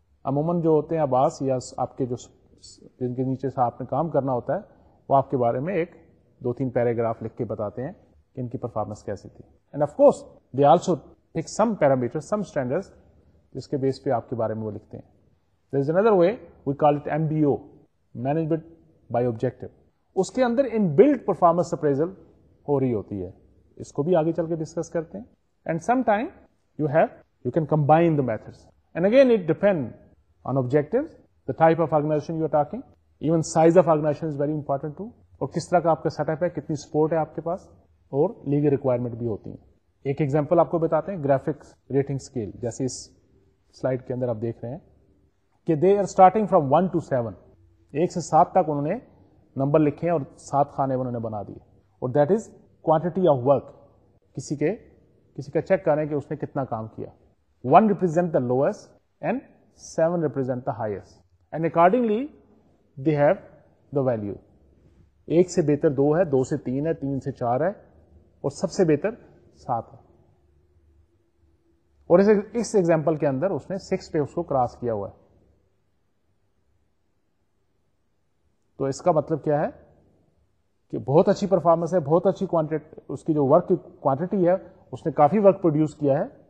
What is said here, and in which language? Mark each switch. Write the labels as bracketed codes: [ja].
[ur] عموماً جو ہوتے ہیں عباس یا آپ کے جو جن کے نیچے سے آپ نے کام کرنا ہوتا ہے وہ آپ کے بارے میں ایک دو تین پیراگراف لکھ کے بتاتے ہیں کہ ان کی پرفارمنس کیسی تھی. [en] and of course they also pick some parameter some standard [ur] جس کے بیس پہ آپ کے بارے میں وہ لکھتے ہیں. [en] There is اندر way we call it M B O management by objective. [ur] اس کے اندر ان بلڈ پرفارمنس اپریزل ہو رہی ہوتی ہے, اس کو بھی آگے چل کے ڈسکس کرتے ہیں. [en] and some time you have you can combine the methods and again it depend on objective the type of organisation you are talking even size of organisation is very important to [ur] اور کس طرح کا آپ کا set up ہے کتنی support ہے آپ کے پاس اور لیگل ریکوائرمنٹ بھی ہوتی ہیں. ایک ایگزامپل آپ کو بتاتے ہیں گرافکس ریٹنگ اسکیل جیسے اس سلائڈ کے اندر آپ دیکھ رہے ہیں کہ [en] they are starting from 1 to 7 [ur] ایک سے سات تک انہوں نے نمبر لکھے ہیں اور سات خانے انہوں نے بنا دیے اور that is quantity of work کسی کا چیک کر رہے ہیں کہ اس نے کتنا کام کیا. [en] 1 represent the lowest and 7 represent the highest and accordingly they have the value. [ur] ایک سے بہتر دو ہے, دو سے تین ہے, تین سے چار ہے اور سب سے بہتر سات ہے. اور اس ایگزامپل کے اندر اس نے 6 پہ اس کو کراس کیا ہوا ہے. تو اس کا مطلب کیا ہے کہ بہت اچھی پرفارمنس ہے, بہت اچھی کوانٹٹی, اس کی جو ورک کی کوانٹٹی ہے اس نے کافی ورک پروڈیوس کیا ہے.